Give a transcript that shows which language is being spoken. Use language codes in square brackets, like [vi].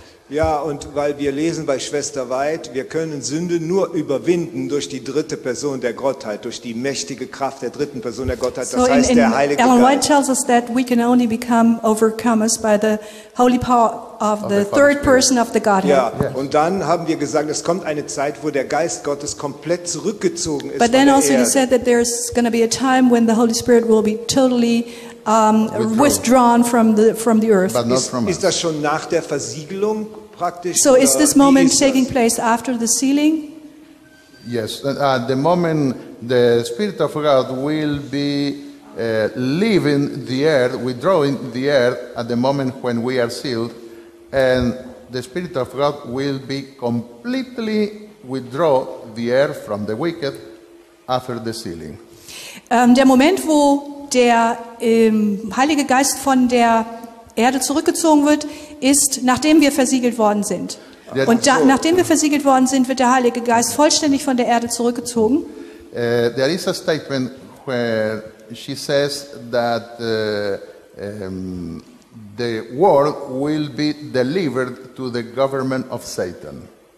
[de] Ja, und weil wir lesen bei Schwester Weid, wir können Sünde nur überwinden durch die dritte Person der Gottheit, durch die mächtige Kraft der dritten Person der Gottheit, das heißt der Heilige Geist. [en] Ellen White tells us that we can only become overcomers by the holy power of the third person of the Godhead. [de] Ja, und dann haben wir gesagt, es kommt eine Zeit, wo der Geist Gottes komplett zurückgezogen ist. [en] But then also he said that there's going to be a time when the Holy Spirit will be totally withdrawn from the earth. But not from us. [de] Ist das schon nach der Versiegelung praktisch? [en] So is this moment taking place after the sealing? Yes, at the moment the Spirit of God will be leaving the earth, withdrawing the earth at the moment when we are sealed, and the Spirit of God will be completely withdraw the earth from the wicked after the sealing. [de] Der Moment, wo der Heilige Geist von der Erde zurückgezogen wird, ist, nachdem wir versiegelt worden sind. Und nachdem wir versiegelt worden sind, wird der Heilige Geist vollständig von der Erde zurückgezogen. [en] There is a statement where she says that the world will be delivered to the government of Satan.